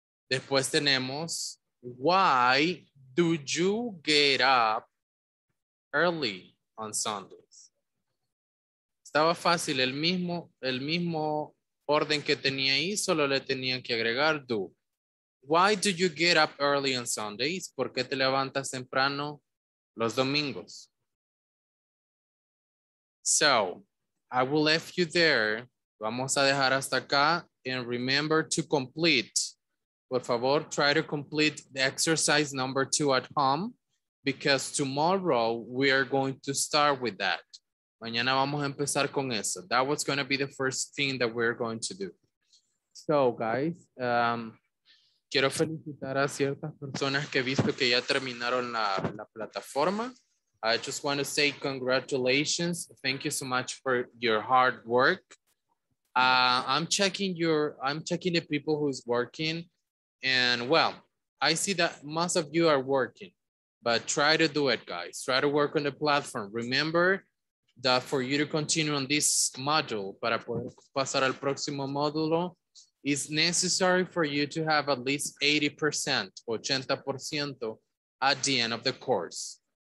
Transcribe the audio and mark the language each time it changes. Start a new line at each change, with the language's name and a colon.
Spanish: Después tenemos,
English: why do you get up early on Sunday?
Spanish: Estaba fácil, el mismo orden que tenía ahí, solo le tenían que agregar do.
English: Why do you get up early on Sundays?
Spanish: ¿Por qué te levantas temprano los domingos?
English: So, I will leave you there.
Spanish: Vamos a dejar hasta acá.
English: And remember to complete.
Spanish: Por favor,
English: try to complete the exercise number two at home, because tomorrow we are going to start with that.
Spanish: Mañana vamos a empezar con eso.
English: That was going to be the first thing that we're going to do. So, guys,
Spanish: quiero felicitar a ciertas personas que he visto que ya terminaron la plataforma.
English: I just want to say congratulations. Thank you so much for your hard work. I'm checking the people who's working. And, well, I see that most of you are working. But try to do it, guys. Try to work on the platform. Remember that for you to continue on this module,
Spanish: para poder pasar al próximo módulo,
English: is necessary for you to have at least 80%, 80% at the end of the course.